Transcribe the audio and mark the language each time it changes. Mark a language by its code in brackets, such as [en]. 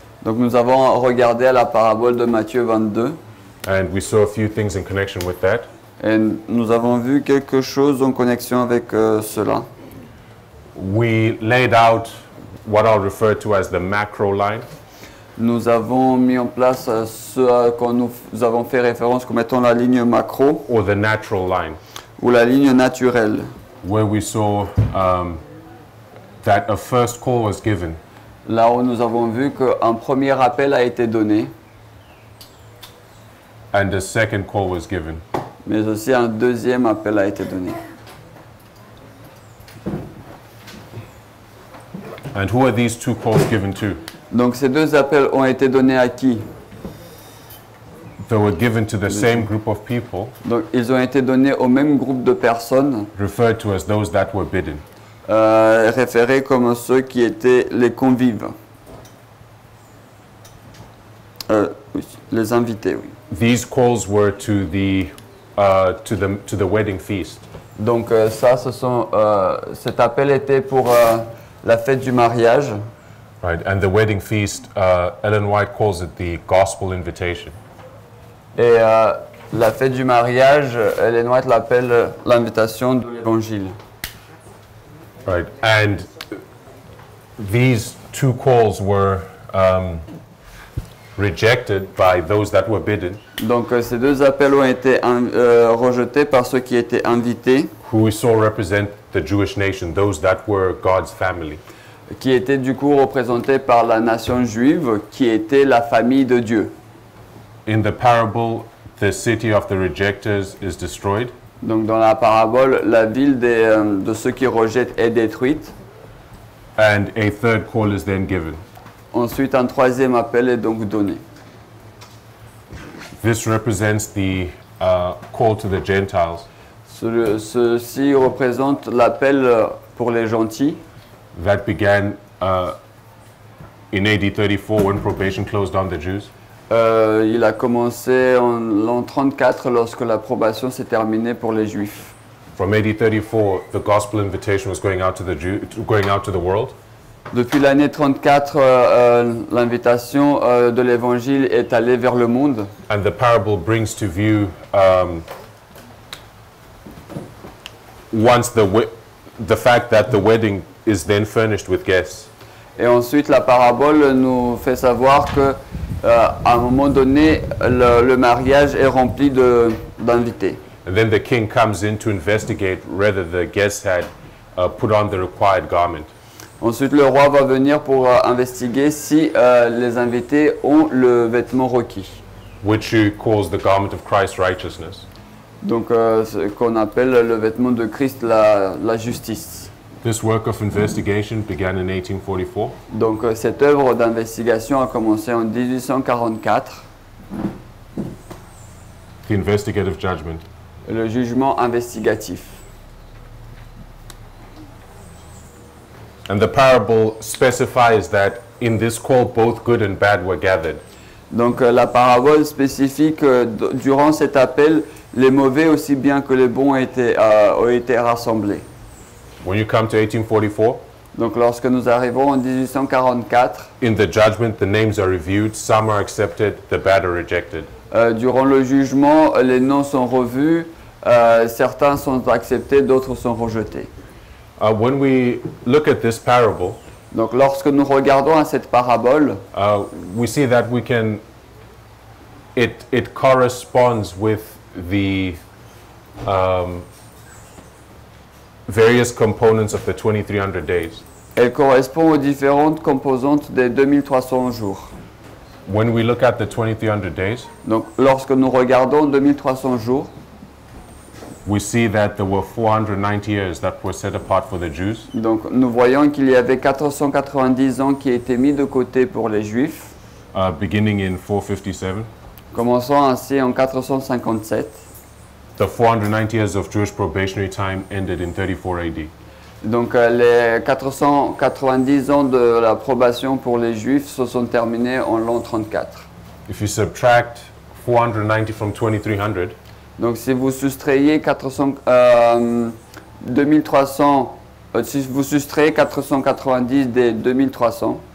[fr] Donc nous avons regardé à la parabole de Matthieu 22. [en] And we saw a few things in connection with that. [fr] Et nous avons vu quelque chose en connexion avec cela. [en] We laid out what I'll refer to as the macro line. [fr] Nous avons mis en place ce à quoi nous avons fait référence comme étant la ligne macro. [en] Or the natural line. [fr] Ou la ligne naturelle. [en] Where we saw that a first call was given. [fr] Là où nous avons vu qu'un premier appel a été donné. [en] And a second call was given. [fr] Mais aussi un deuxième appel a été donné. [en] And who are these two calls given to? [fr] Donc ces deux appels ont été donnés à qui? [en] They were given to the same group of people. [fr] Donc ils ont été donnés au même groupe de personnes. [en] Referred to as those that were bidden. [fr] Référés comme ceux qui étaient les convives. Oui, les invités, oui. [en] These calls were to the to the wedding feast. [fr] Donc ça ce sont cet appel était pour la fête du mariage. [en] Right, and the wedding feast, Ellen White calls it the gospel invitation. [fr] Et la fête du mariage, Ellen White l'appelle l'invitation de l'évangile. [en] Right, and these two calls were rejected by those that were bidden. [fr] Donc ces deux appels ont été rejetés par ceux qui étaient invités. [en] Who we saw represent the Jewish nation, those that were God's family. [fr] Qui était du coup représenté par la nation juive, qui était la famille de Dieu. [en] In the parable, the city of the rejecters is destroyed. [fr] Donc dans la parabole, la ville de ceux qui rejettent est détruite. [en] And a third call is then given. [fr] Ensuite, un troisième appel est donc donné. [en] This represents the call to the Gentiles. [fr] Ceci représente l'appel pour les gentils. [en] That began in AD 34 when probation closed down the Jews. [fr] Il a commencé en l'an 34 lorsque la probation s'est terminée pour les Juifs. [en] From AD 34, the gospel invitation was going out to the world. [fr] Depuis l'année 34, l'invitation de l'évangile est allée vers le monde. [en] And the parable brings to view once the fact that the wedding is then furnished with guests. [fr] Et ensuite la parabole nous fait savoir que à un moment donné le mariage est rempli de d'invités. [en] And then the king comes in to investigate whether the guests had put on the required garment. [fr] Ensuite le roi va venir pour investiguer si les invités ont le vêtement requis. [en] Which he calls the garment of Christ's righteousness. [fr] Donc ce qu'on appelle le vêtement de Christ la justice. [en] This work of investigation began in 1844. [fr] Donc cette œuvre d'investigation a commencé en 1844. [en] The investigative judgment. [fr] Le jugement investigatif. [en] And the parable specifies that in this call both good and bad were gathered. [fr] Donc la parabole spécifie que durant cet appel les mauvais aussi bien que les bons ont été rassemblés. [en] When you come to 1844, [fr] donc lorsque nous arrivons en 1844, [en] in the judgment, the names are reviewed. Some are accepted; the bad are rejected. [fr] Durant le jugement, les noms sont revus. Certains sont acceptés, d'autres sont rejetés. [en] When we look at this parable, [fr] donc lorsque nous regardons à cette parabole, [en] we see that we can it corresponds with the various components of the 2300 days. [fr] Elle correspond aux différentes composantes des 2300 jours. [en] When we look at the 2300 days, [fr] donc lorsque nous regardons 2300 jours, [en] we see that there were 490 years that were set apart for the Jews. [fr] Donc nous voyons qu'il y avait 490 ans qui étaient mis de côté pour les Juifs. [en] Beginning in 457. [fr] Commençant ainsi en 457. [en] The 490 years of Jewish probationary time ended in 34 AD. [fr] Donc les 490 ans de la probation pour les Juifs se sont terminés en l'an 34. [en] If you subtract 490 from 2300, [fr] donc si vous soustrayez 490 des 2300,